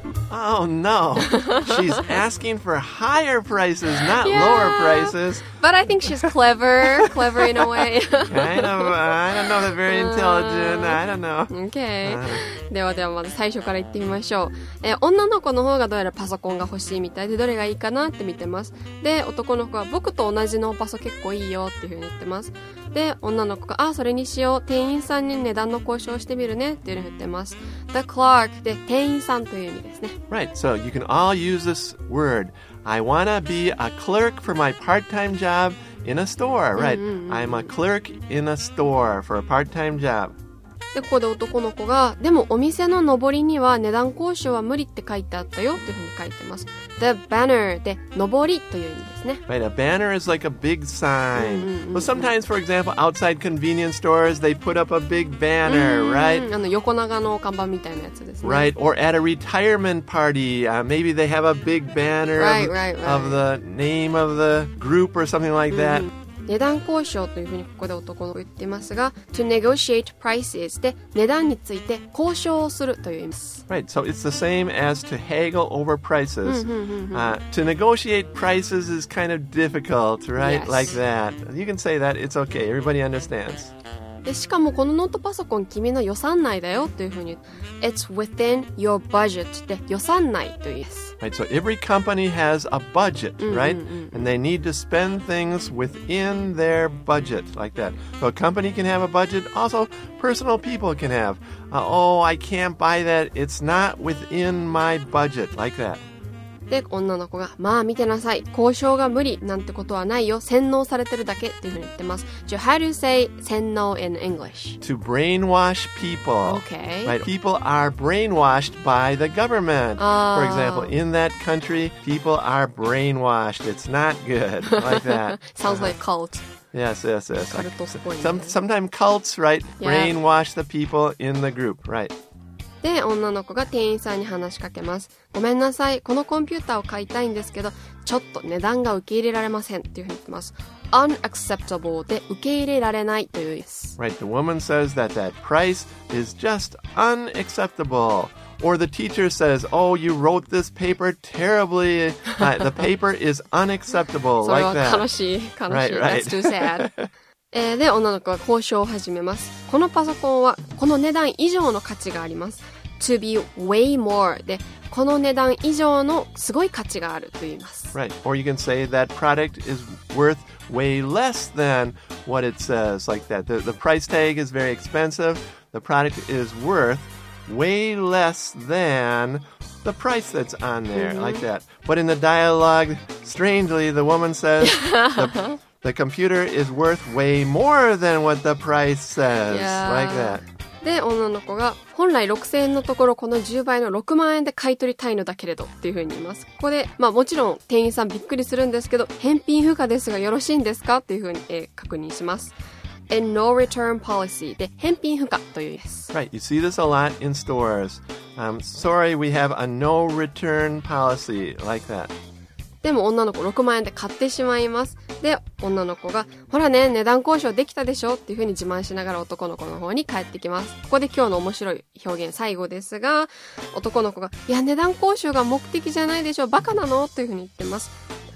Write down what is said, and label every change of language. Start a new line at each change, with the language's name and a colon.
English: Oh no, she's asking for higher prices, not lower prices. But I think she's clever in a way. I don't know if they're very intelligent, I don't know.
Japanese: Okay, ではではまず最初から言ってみましょう。女の子の方がどうやらパソコンが欲しいみたいで、どれがいいかなって見てます。で、男の子は僕と同じのパソ結構いいよっていうふうに言ってます。で、女の子が、ああ、それにしよう。店員さんに値段の交渉してみるねっていうふうに言ってます。 The clerk で店員さんという意味ですね。
English: Right, so you can all use this word. I wanna be a clerk for my part-time job in a store, right? I'm a clerk in a store for a part-time job.
Japanese: でここで男の子がでもお店の上りには値段交渉は無理って書いてあったよっていうふうに書いてます。 The banner で上りという意味ですね。
English: Right, a banner is like a big sign. Well, sometimes, for example, outside convenience stores, they put up a big banner, right?
Japanese: あの横長の看板みたいなやつですね。
English: Right, or at a retirement party, maybe they have a big banner of the name of the group or something like that.
Japanese: 値段交渉というふうにここで男の子言ってますが
English: To negotiate prices
Japanese: で値段について交渉をするという意味です
English: Right, so it's the same as to haggle over prices To negotiate prices is kind of difficult, right? Yes. Like that You can say that, it's okay, everybody understands
Japanese: でしかもこのノートパソコン君の予算内だよというふうに
English: It's within your budget
Japanese: で予算内という意味です
English: Right, so every company has a budget, right? And they need to spend things within their budget, like that. So a company can have a budget, also personal people can have. I can't buy that, it's not within my budget, like that.
Japanese: で、女の子が、まあ見てなさい、交渉が無理なんてことはないよ、洗脳されてるだけっていうふうに言ってます。
English: So how do you say 洗脳 in English? To brainwash people. Okay. Right, people are brainwashed by the government. For example, in that country, people are brainwashed. It's not good, like that. Sounds like cult. Yes. Sometimes cults, right, brainwash the people in the group, right.
Japanese: で、女の子が店員さんに話しかけます。ごめんなさい、このコンピューターを買いたいんですけど、ちょっと値段が受け入れられませんっていうふうに言ってます。 Unacceptable で受け入れられないという意味です。
English: Right, the woman says that that price is just unacceptable. Or the teacher says, oh, you wrote this paper terribly. The paper is unacceptable, like that.
Japanese: それは悲しい。
English: Right. That's too sad.
Japanese: で女の子は交渉を始めます。このパソコンはこの値段以上の価値があります。
English: To be way more
Japanese: でこの値段以上のすごい価値があると言います。
English: Right, or you can say that product is worth way less than what it says, like that. The price tag is very expensive. The product is worth way less than the price that's on there, like that. But in the dialogue, strangely, the woman says. The computer is worth way more than what the price says, like that.
Japanese: で、女の子が本来6000円のところこの10倍の6万円で買い取りたいのだけれどっていう風に言います。ここで、まあもちろん店員さんびっくりするんですけど、返品不可ですがよろしいんですかっていう風に確認します。
English: And no return policy
Japanese: で返品不可という意味です。
English: Right, you see this a lot in stores. Sorry, we have a no return policy like that.
Japanese: でも女の子6万円で買ってしまいます。で、女の子がほらね、値段交渉できたでしょっていう風に自慢しながら男の子の方に帰ってきます。ここで今日の面白い表現最後ですが、男の子がいや値段交渉が目的じゃないでしょ、バカなのという風に言ってます。